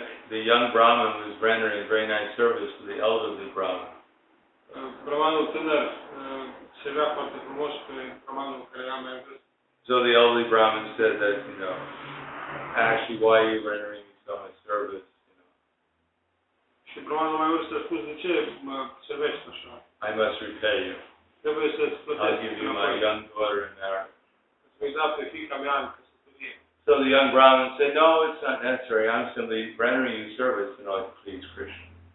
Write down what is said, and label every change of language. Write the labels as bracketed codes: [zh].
[en] The young Brahmin was rendering a very nice service to the elderly Brahmin. [ro] Brahmanul tânăr servea foarte frumos pe Brahmanul care era mai vârst. [en] So the elderly Brahmin said that, you know, actually, why are you rendering so much service? You know? [ro] Și Brahmanul mai vârst a spus, de ce mă servești așa? [en] I must repay you. [ro] Trebuie să-ți plătesc. [en] I'll give you my young daughter in marriage. [ro] Să-mi dau pe fiica mea în căsătorie. [en] So the young Brahmin said, no, it's not necessary. I'm simply rendering you service in order to please Krishna.